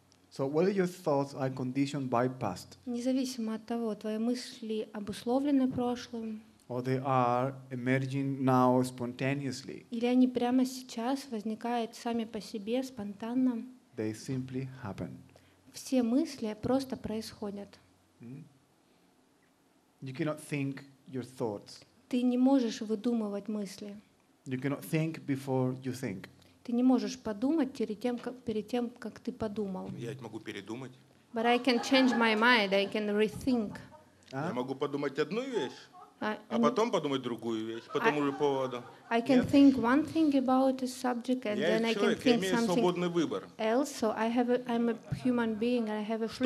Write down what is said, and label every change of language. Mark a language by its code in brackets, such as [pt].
[en] So whether your thoughts are conditioned by past. [ru] Независимо от того, твои мысли обусловлены прошлым. [en] Or they are emerging now spontaneously. [ru] Или они прямо сейчас возникают сами по себе спонтанно. [en] They simply happen. [ru] Все мысли просто происходят. [en] You cannot think your thoughts. [ru] Ты не можешь выдумывать мысли. [en] You cannot think before you think. [ru] Ты не можешь подумать перед тем, как ты подумал. Я ведь могу передумать. [en] But I can change my mind. I can rethink. А? [ru] Я могу подумать одну вещь, а потом подумать другую вещь по тому же поводу. [en] I can think one thing about a subject and then [ru] человек, [en] I can think something else. So I have a, I'm a human being and I have a free